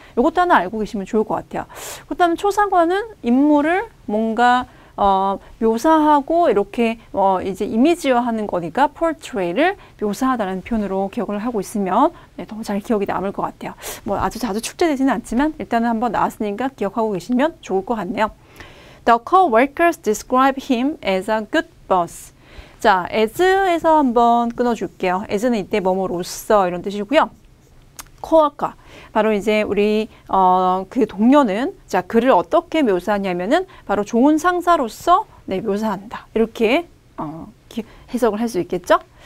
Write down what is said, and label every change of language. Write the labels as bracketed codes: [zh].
[ko] 이것도 하나 알고 계시면 좋을 것 같아요. 그다음 초상화는 인물을 뭔가 묘사하고 이렇게 이제 이미지화하는 거니까 portray를 묘사하다라는 표현으로 기억을 하고 있으면, 네, 더 잘 기억이 남을 것 같아요. 뭐 아주 자주 출제되지는 않지만 일단은 한번 나왔으니까 기억하고 계시면 좋을 것 같네요. [en] The co-workers describe him as a good boss. [ko] 자, as에서 한번 끊어줄게요. as는 이때 뭐뭐로서 이런 뜻이고요. co-worker 바로 이제 우리 그 동료는, 자, 그를 어떻게 묘사하냐면은 바로 좋은 상사로서, 네, 묘사한다 이렇게 해석을 할 수 있겠죠.